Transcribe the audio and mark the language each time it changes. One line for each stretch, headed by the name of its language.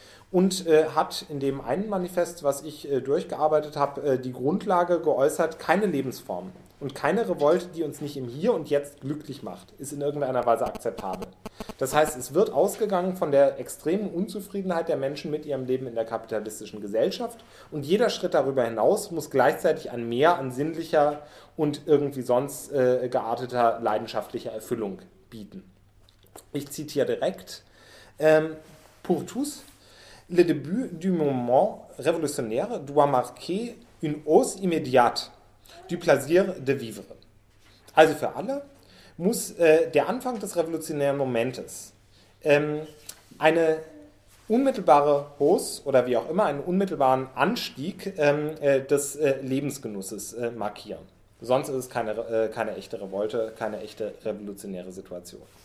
German: Und hat in dem einen Manifest, was ich durchgearbeitet habe, die Grundlage geäußert, keine Lebensform und keine Revolte, die uns nicht im Hier und Jetzt glücklich macht, ist in irgendeiner Weise akzeptabel. Das heißt, es wird ausgegangen von der extremen Unzufriedenheit der Menschen mit ihrem Leben in der kapitalistischen Gesellschaft und jeder Schritt darüber hinaus muss gleichzeitig ein Mehr an sinnlicher und irgendwie sonst gearteter leidenschaftlicher Erfüllung bieten. Ich zitiere direkt,
French: pour tous, le début du mouvement révolutionnaire doit marquer une hausse immédiate du plaisir de vivre.
German: Also für alle muss der Anfang des revolutionären Momentes eine unmittelbare Hausse oder wie auch immer einen unmittelbaren Anstieg des Lebensgenusses markieren. Sonst ist es keine echte Revolte, keine echte revolutionäre Situation.